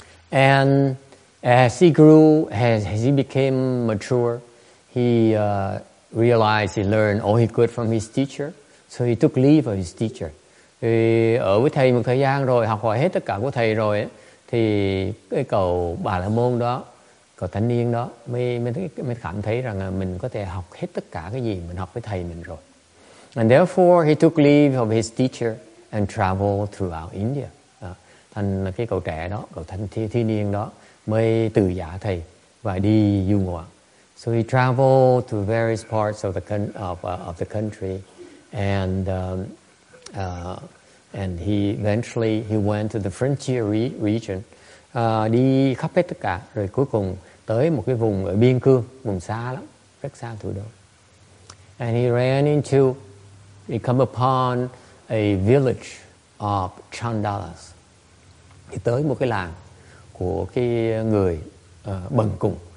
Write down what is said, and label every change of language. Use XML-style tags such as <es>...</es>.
<en>And as he grew, as he became mature, he realized he learned all he could from his teacher. So he took leave of his teacher.</en> <vi>Thì ở với thầy một thời gian rồi, học hỏi hết tất cả của thầy rồi, thì cái cậu Bà La Môn đó, cậu thanh niên đó, mới cảm thấy rằng mình có thể học hết tất cả cái gì mình học với thầy mình rồi.</vi> <en>And therefore, he took leave of his teacher and traveled throughout India.</en> <vi>Thành cái cậu trẻ đó, cậu thanh niên đó mới từ giả thầy và đi du ngoạn.</vi> <en>So he traveled to various parts of the country, and he eventually went to the frontier region,</en> <vi>đi khắp hết tất cả, rồi cuối cùng tới một cái vùng ở biên cương, vùng xa lắm, rất xa thủ đô.</vi> <en>And he came upon a village of Chandalas.</en> <vi>Thì tới một cái làng của cái người bần cùng.</vi>